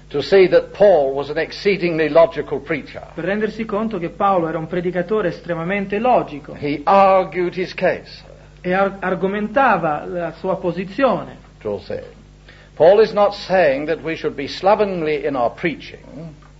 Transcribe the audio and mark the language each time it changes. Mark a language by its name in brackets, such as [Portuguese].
[English] To see that Paul was an exceedingly logical preacher. [Italian] Per rendersi conto che Paolo era un predicatore estremamente logico. [English] He argued his case. [Italian] E argomentava la sua posizione. [English] Paul is not saying that we should be slovenly in our preaching.